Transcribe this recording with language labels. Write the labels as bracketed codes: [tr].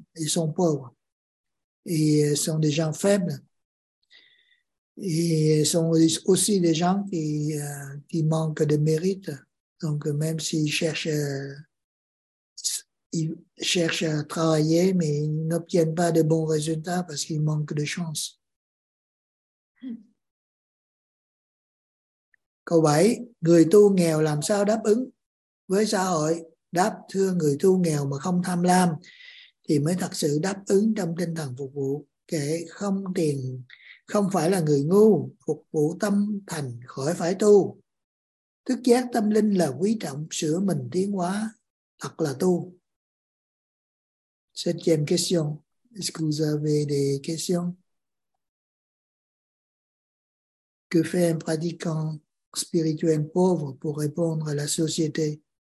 [fr] Ils sont pauvres et sont des gens faibles et sont aussi des gens qui manquent de mérite. Donc même s'ils cherchent à travailler, mais ils n'obtiennent pas de bons résultats parce qu'ils manquent de chance. [vi] Câu 7. Người tu nghèo làm sao đáp ứng với xã hội? Đáp, thưa, người tu nghèo mà không tham lam thì mới thật sự đáp ứng trong tinh thần phục vụ. Kể không tiền, không phải là người ngu, phục vụ tâm thành khỏi phải tu. Thức giác tâm linh là quý trọng, sửa mình tiến hóa, thật là tu. [fr] Septième question. Est-ce que vous avez des questions? Que fait un pratiquant spirituel pauvre pour répondre à la société?